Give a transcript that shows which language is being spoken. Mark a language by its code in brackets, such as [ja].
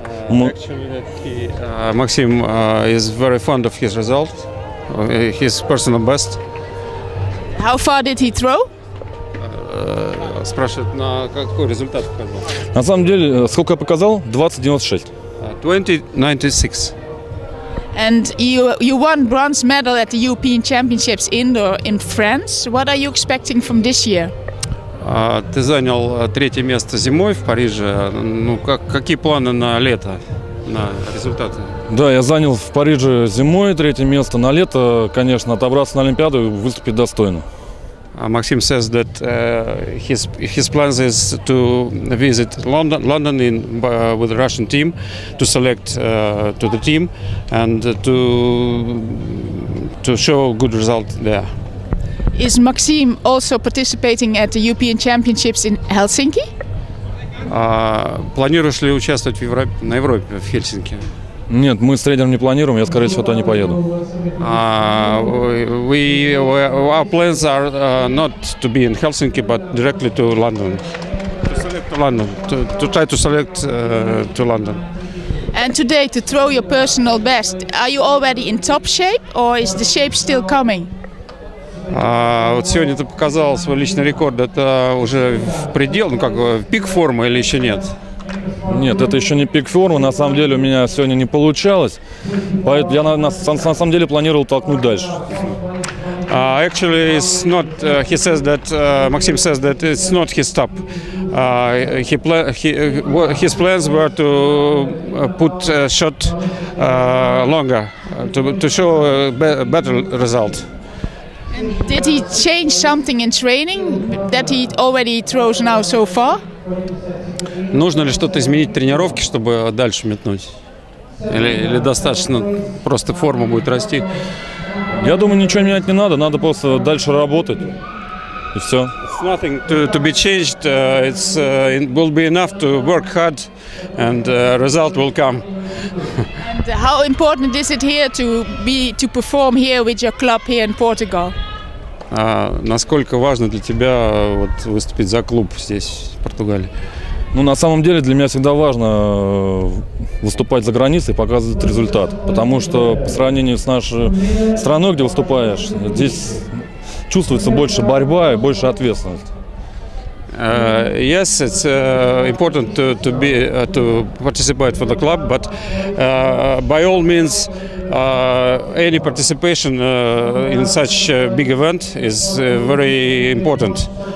[en] Максим is very fond of his result, his personal best. How far did he throw? [ru] Спрашивает, на какой результат показал? На самом деле, сколько я показал? 20.96. 20.96. [en] And you won bronze medal at the European Championships indoor in France. What are you expecting from this year? [ru] Ты занял третье место зимой в Париже. Ну, какие планы на лето, на результаты? Да, я занял в Париже зимой третье место. На лето, конечно, отобраться на Олимпиаду и выступить достойно. [en] Максим says that his plans is to visit London in with the Russian team to select to the team and to show good result there. Is Максим also participating at the European Championships in Helsinki? [ru] Планируешь ли участвовать на Европе в Хельсинки? Нет, мы с тренером не планируем, я, скорее всего, туда не поеду. [en] Our plans are not to be in Helsinki, but directly to London. To select to London. To try to select to London. And today, to throw your personal best, are you already in top shape or is the shape still coming? [ru] Вот сегодня ты показал свой личный рекорд, это уже в предел, ну как в пик формы или еще нет? Нет, это еще не пик формы. На самом деле у меня сегодня не получалось, поэтому я на самом деле планировал толкнуть дальше. [en] Actually, it's not. He says that Максим says that it's not his top. His plans were to put shot longer to show better result. And did he change something in training that he already throws now so far? [ru] Нужно ли что-то изменить в тренировке, чтобы дальше метнуть? Или достаточно просто форма будет расти? Я думаю, ничего менять не надо, надо просто дальше работать и все. [en] It's nothing to be changed. It's it will be enough to work hard, and result will come. And how important is it here to perform here with your club here in Portugal? [ru] Насколько важно для тебя выступить за клуб здесь, в Португалии? Ну, на самом деле, для меня всегда важно выступать за границей и показывать результат. Потому что по сравнению с нашей страной, где выступаешь, здесь чувствуется больше борьба и больше ответственности. [en] Yes, it's important to participate for the club, but by all means, any participation in such a big event is very important.